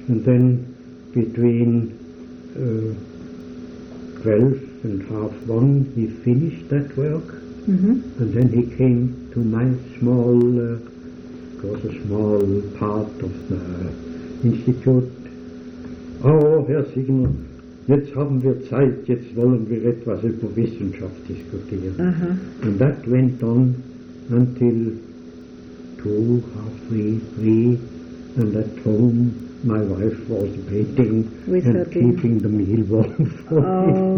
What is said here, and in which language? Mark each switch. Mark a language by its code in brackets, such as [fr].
[en] And then between 12 and half one, he finished that work. And then he came to my small, it was a small part of the institute. [de] Oh, Herr Signer, jetzt haben wir Zeit, jetzt wollen wir etwas über Wissenschaft diskutieren. [en] And that went on until 2, half 3, 3, and at home my wife was waiting with and keeping the meal warm for